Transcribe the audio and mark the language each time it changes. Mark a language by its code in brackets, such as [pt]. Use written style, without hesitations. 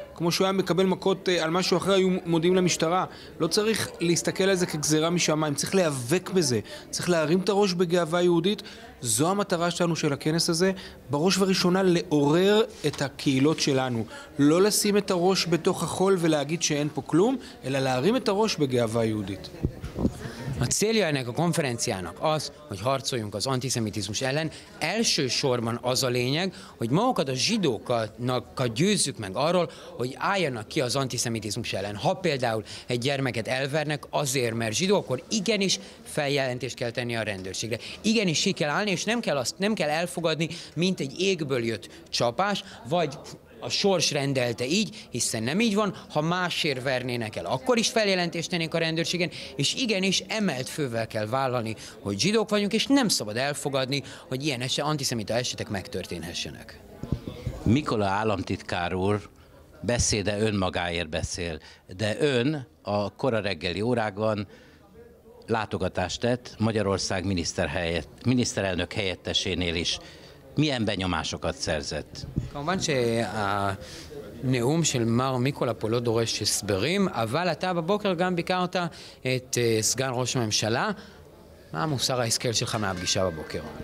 [he] כמו שהוא היה מקבל מכות על משהו אחר, היו מודיעים למשטרה. לא צריך להסתכל על זה כגזרה משמיים, צריך להיאבק בזה. צריך להרים את הראש בגאווה יהודית. זו המטרה שלנו של הכנס הזה, בראש וראשונה לעורר את הקהילות שלנו. לא לשים את הראש בתוך החול ולהגיד שאין פה כלום, אלא להרים את הראש בגאווה יהודית. [hu] A célja ennek a konferenciának az, hogy harcoljunk az antiszemitizmus ellen. Elsősorban az a lényeg, hogy magukat a zsidókat győzzük meg arról, hogy álljanak ki az antiszemitizmus ellen. Ha például egy gyermeket elvernek azért, mert zsidó, akkor igenis feljelentést kell tenni a rendőrségre. Igenis ki kell állni, és nem kell azt, nem kell elfogadni, mint egy égből jött csapás, vagy a sors rendelte így, hiszen nem így van, ha másért vernének el, akkor is feljelentést tennék a rendőrségen, és igenis emelt fővel kell vállalni, hogy zsidók vagyunk, és nem szabad elfogadni, hogy ilyen antiszemita esetek megtörténhessenek. Mikola államtitkár úr beszéde önmagáért beszél, de ön a kora reggeli órákban látogatást tett Magyarország miniszterelnök helyettesénél is. Milyen benyomásokat szerzett? [he] כמובן שהנאום של מר מיקולפו לא דורש הסברים, אבל אתה בבוקר גם ביקרת את סגן ראש הממשלה. מה מוסר ההסכל שלך מהפגישה בבוקר?